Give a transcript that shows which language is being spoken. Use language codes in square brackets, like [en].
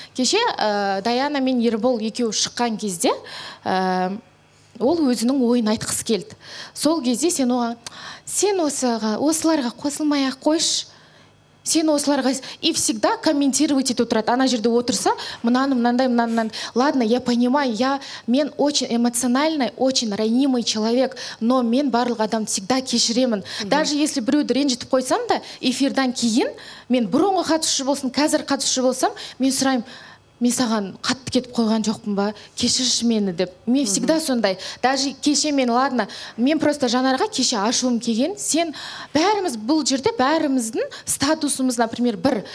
[kk] Кеше Даяна мен Ербол екеуі шыққан кезде, ол өзінің ойын айтқысы келді. Сол кезде сен оған, сен осыларға қосылмай-ақ қойшы. Сен осыларға и [ru] всегда комментировать [kk] етіп тұрады. Ана жерде отырса, мынаны мынандай, мынаны. [ru] Ладно, я понимаю, мен очень эмоциональный, очень ранимый человек, но [kk] мен барлық адамды [ru] всегда кешіремін. Даже если [kk] біреуді ренжітіп қойсам да, эфирдан кейін мен бұрынғы қатысушы болсын, қазір қатысушы болсам, мен сұраймын, мен саған қатты кетіп қойған жоқпын ба? Кешірші мені, деп. Мен всегда сондай. Даже кеше мен, ладно, мен просто Жанарға кеше ашуым келген. Сен бәріміз бұл жерде, бәріміздің статусымыз, например, бір.